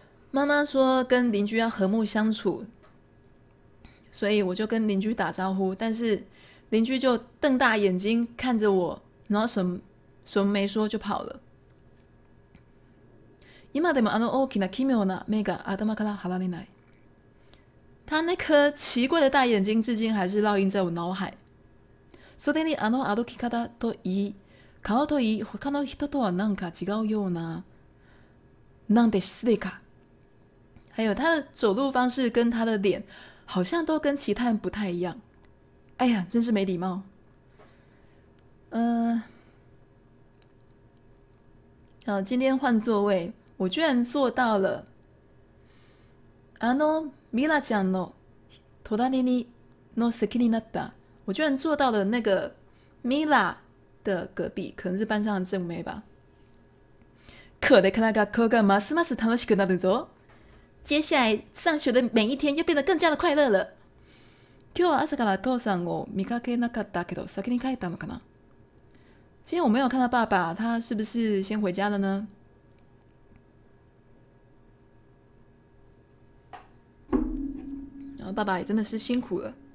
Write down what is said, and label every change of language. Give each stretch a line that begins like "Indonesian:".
Chinese: 妈妈说跟邻居要和睦相处。所以我就跟邻居打招呼，但是邻居就瞪大眼睛看着我，然后什么没说就跑了。
Japanese: 今でもあの大きな奇妙な目が頭から離れない。
Chinese: 他那颗奇怪的大眼睛至今还是烙印在我脑海。
Japanese: それにあの歩き方といい、顔といい、他の人とはなんか違うような、なんて失礼か。
Chinese: 还有他的走路方式跟他的脸。好像都跟其他人不太一样，哎呀，真是没礼貌。好，今天换座位，我居然做到了。
Japanese: あのミラちゃんの隣の席になった。
Chinese: 我居然做到了那个ミラ的隔壁，可能是班上的正妹吧。
Japanese: これからがこがますます楽しくなるぞ。
Chinese: 接下来上学的每一天又变得更加的快乐了。
Japanese: 今日は朝から父さんを見かけなかったけど、先に帰ったのかな。
Chinese: 今天我没有看到爸爸，他是不是先回家了呢？爸爸也真的是辛苦了。